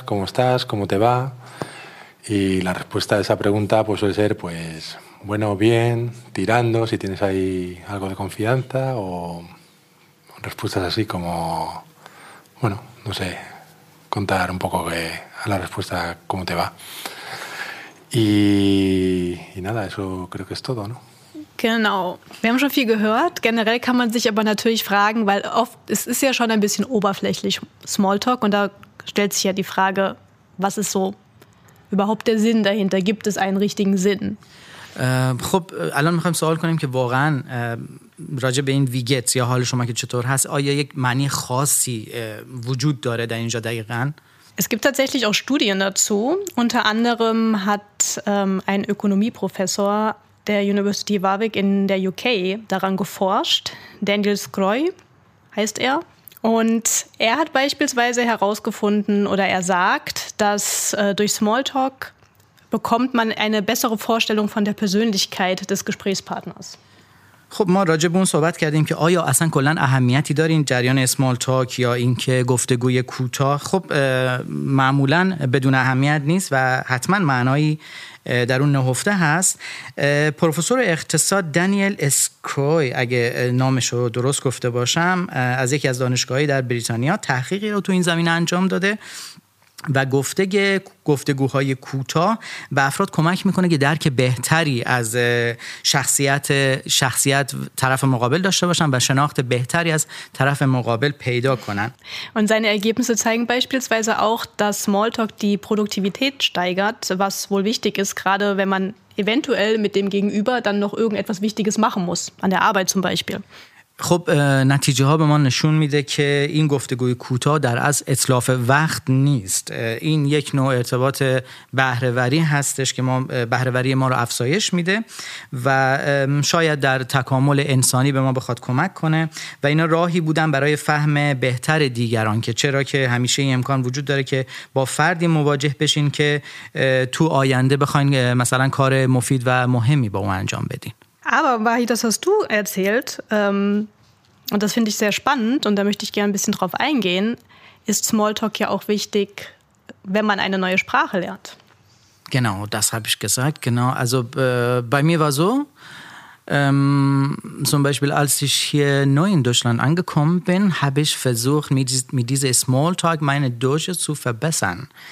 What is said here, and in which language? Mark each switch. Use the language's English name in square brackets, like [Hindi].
[Spanish] ¿Cómo te va? Y la respuesta a esa pregunta pues suele ser pues bueno, bien, tirando, si tienes ahí algo de confianza o respuestas así como, bueno, no sé, contar un poco que, a la respuesta cómo te va. Y nada, eso creo que es todo, ¿no? [German] Genau, wir haben schon viel gehört. Generell kann man sich aber natürlich fragen, weil oft, es ist ja schon ein bisschen oberflächlich Smalltalk und da stellt sich ja die Frage, was ist so überhaupt der Sinn dahinter? Gibt es einen richtigen Sinn? [Persian] خب الان میخوایم سوال کنیم که واقعا راجع به این وی گتس یا حال شما که چطور هست آیا یک معنی خاصی وجود داره در اینجا دقیقا؟ [German] Es gibt tatsächlich auch Studien dazu. Unter anderem hat ein Ökonomieprofessor der University Warwick in der UK daran geforscht. Daniel Scroy heißt er. Und er hat beispielsweise herausgefunden oder er sagt, dass durch Smalltalk bekommt man eine bessere Vorstellung von der Persönlichkeit des Gesprächspartners. [Persian] خب ما راجع به اون صحبت کردیم که آیا اصلا کلن اهمیتی داره این جریان اسمال تاک یا اینکه گفتگوی کوتاه خب معمولا بدون اهمیت نیست و حتما معنایی در اون نهفته هست پروفسور اقتصاد دانیل اسکروی اگه نامش رو درست گفته باشم از یکی از دانشگاهی در بریتانیا تحقیقی رو تو این زمینه انجام داده و گفتگوهای کوتاه به افراد کمک میکنه که درک بهتری از شخصیت طرف مقابل داشته باشن و شناخت بهتری از طرف مقابل پیدا کنن. [German] Und seine Ergebnisse zeigen beispielsweise auch, dass Smalltalk die Produktivität steigert, was wohl wichtig ist, gerade wenn man eventuell mit dem Gegenüber dann noch irgendetwas Wichtiges machen muss, an der Arbeit zum Beispiel. [Persian] خب نتیجه ها به ما نشون میده که این گفتگوی کوتاه در از اتلاف وقت نیست این یک نوع ارتباط بهره‌وری هستش که ما بهره‌وری ما رو افزایش میده و شاید در تکامل انسانی به ما بخواد کمک کنه و اینا راهی بودن برای فهم بهتر دیگران که چرا که همیشه این امکان وجود داره که با فردی مواجه بشین که تو آینده بخواین مثلا کار مفید و مهمی با اون انجام بدین [German] Aber Vahi, das hast du erzählt, und das finde ich sehr spannend und da möchte ich gerne ein bisschen drauf eingehen, ist Smalltalk ja auch wichtig, wenn man eine neue Sprache lernt. Genau, das habe ich gesagt, genau. Also bei mir war so, zum Beispiel als ich hier neu in Deutschland angekommen bin, habe ich versucht, mit dieser Smalltalk meine Deutsche zu verbessern.